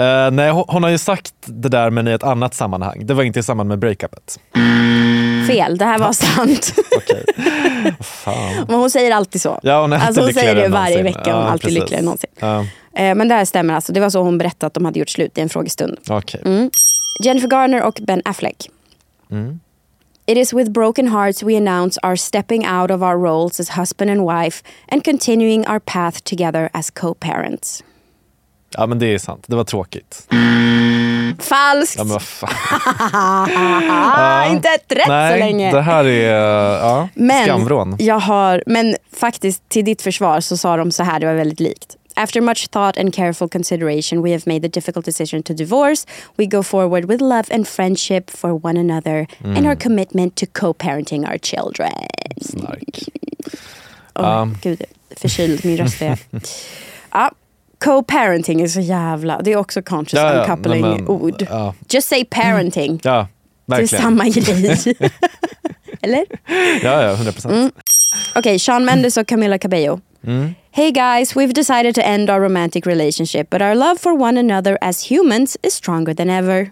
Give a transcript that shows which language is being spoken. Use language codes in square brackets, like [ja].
[sv] Nej, hon har ju sagt det där men i ett annat sammanhang. Det var inte i samband med breakupet. Fel, det här var sant. Okay. Fan. Men hon säger alltid så. Ja, hon är alltså, hon säger det varje någonsin. Vecka, hon är alltid lyckligare än någonsin. Men det här stämmer alltså. Det var så hon berättade att de hade gjort slut i en frågestund. Okay. Jennifer Garner och Ben Affleck. [en] It is with broken hearts we announce our stepping out of our roles as husband and wife and continuing our path together as co-parents. [sv] Ja, men det är sant. Det var tråkigt. Falskt! Ja, men vad fan. inte ett rätt nej, så länge. Det här är skamvrån. Men faktiskt, till ditt försvar så sa de så här, det var väldigt likt. [en] After much thought and careful consideration, we have made the difficult decision to divorce. We go forward with love and friendship for one another and our commitment to co-parenting our children. [sv] Snark. Gud, förkyld min röst. Co-parenting är så jävla... Det är också [en] conscious uncoupling- [sv] ord. [en] Just say parenting. [sv] Ja, verkligen. Det är samma grej. Eller? Ja, 100%. Okej, Shawn Mendes och Camila Cabello. [en] Hey guys, we've decided to end our romantic relationship, but our love for one another as humans is stronger than ever.